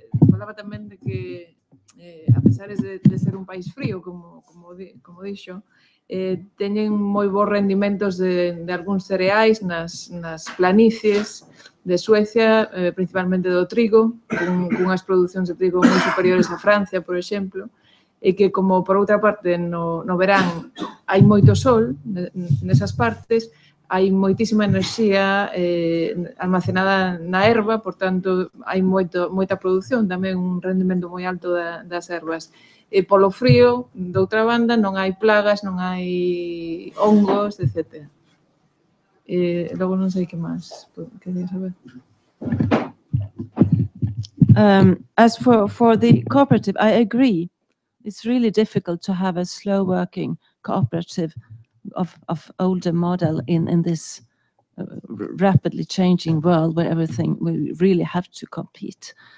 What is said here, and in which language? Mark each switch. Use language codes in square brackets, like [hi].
[es] Falaba también de que, a pesar de ser un país frío, como dicho, tienen muy buenos rendimientos de algunos cereais en las planicies de Suecia, principalmente de trigo, con unas producciones de trigo muy superiores a Francia, por ejemplo. [gl] E que, como por outra parte, no verán, hai moito sol nesas partes, hai moitísima enerxía almacenada na erva, por tanto, hai moita producción, tamén un rendimento moi alto das ervas. E polo frío, doutra banda, non hai plagas, non hai hongos, etc. Logo non sei que máis quería saber. [en] As for the cooperative, I agree. It's really difficult to have a slow-working cooperative of older model in this rapidly changing world where everything, we really have to compete.